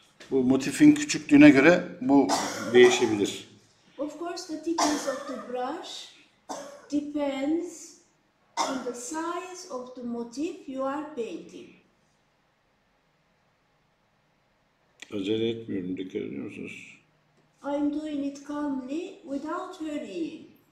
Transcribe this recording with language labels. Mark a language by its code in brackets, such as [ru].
[tr] Bu motifin küçüklüğüne göre bu değişebilir. [en] Of course the thickness of the brush depends on the size of the motif you are painting. [tr] Acele etmiyorum, dikkat ediyor musunuz? [en] I'm doing it calmly without hurrying.